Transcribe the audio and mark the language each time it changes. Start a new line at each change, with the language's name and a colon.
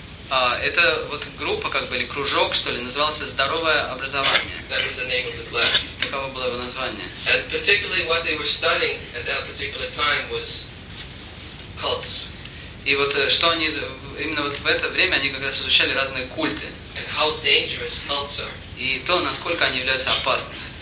Russian: Это вот группа, как бы, или кружок, что ли, назывался «Здоровое образование».
English: That was the name of the class.
Russian: Таково было его название.
English: And particularly what they were studying at that particular time was cults.
Russian: И вот что они, именно вот в это время они как раз изучали разные культы.
English: And how dangerous cults are.
Russian: И то, насколько они являются опасными.